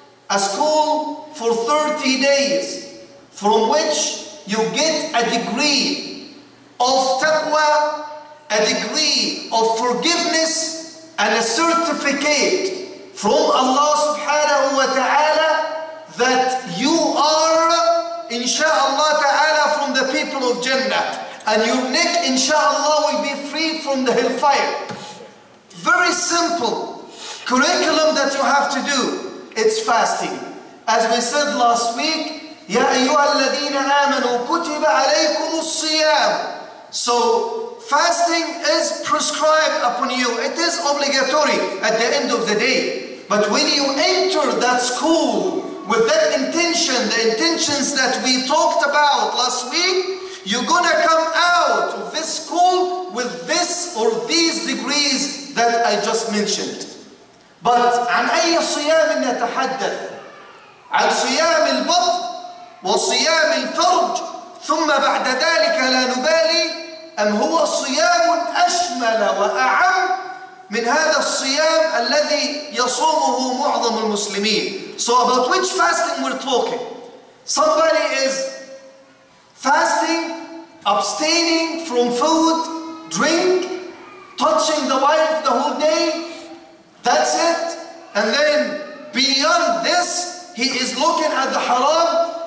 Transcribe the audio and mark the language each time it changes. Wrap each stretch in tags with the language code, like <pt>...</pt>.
<en>A school for 30 days, from which you get a degree of taqwa, a degree of forgiveness, and a certificate from Allah subhanahu wa ta'ala that you are, insha'Allah ta'ala, from the people of Jannah. And your neck, insha'Allah, will be free from the hellfire. Very simple curriculum that you have to do. It's fasting. As we said last week,</en> <ar>يَا أَيُّهَا الَّذِينَ آمَنُوا كُتِبَ عَلَيْكُمُ الصِّيَامُ.</ar> <en>So, fasting is prescribed upon you. It is obligatory at the end of the day. But when you enter that school with that intention, the intentions that we talked about last week, you're gonna come out of this school with this or these degrees that I just mentioned. But</en> <ar>عن أي صيام نتحدث؟ عن صيام البطن وصيام الفرج ثم بعد ذلك لا نبالي أم هو صيام أشمل وأعم من هذا الصيام الذي يصومه معظم المسلمين.</ar> <en>So about which fasting we're talking? Somebody is fasting, abstaining from food, drink, touching the wife the whole day. That's it. And then beyond this, he is looking at the haram.</en>